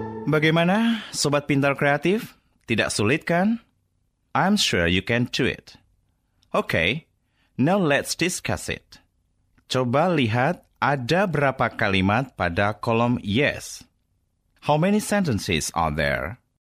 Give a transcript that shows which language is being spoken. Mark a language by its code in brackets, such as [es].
[id] Bagaimana, Sobat Pintar Kreatif? Tidak sulit, kan? [en] I'm sure you can do it. Okay, now let's discuss it. [id] Coba lihat ada berapa kalimat pada kolom yes. [en] How many sentences are there?